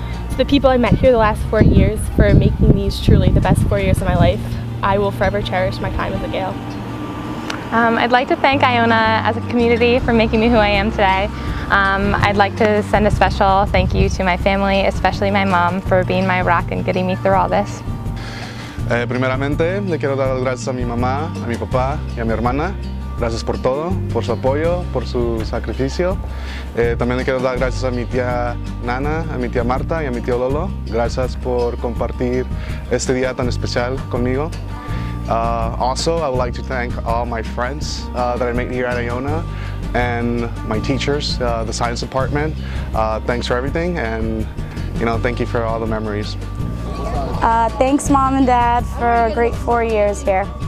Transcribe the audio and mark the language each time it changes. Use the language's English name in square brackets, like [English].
[English] To the people I met here the last 4 years, for making these truly the best 4 years of my life. I will forever cherish my time with Gale. I'd like to thank Iona as a community for making me who I am today. I'd like to send a special thank you to my family, especially my mom, for being my rock and getting me through all this. [Spanish] Primeramente, le quiero dar las gracias a mi mamá, a mi papá y a mi hermana. Gracias por todo, por su apoyo, por su sacrificio. También le quiero dar gracias a mi tía Nana, a mi tía Marta y a mi tío Lolo. Gracias por compartir este día tan especial conmigo. [English] Also, I would like to thank all my friends that I met here at Iona and my teachers, the science department. Thanks for everything, and you know, thank you for all the memories. Thanks, Mom and Dad, for a great 4 years here.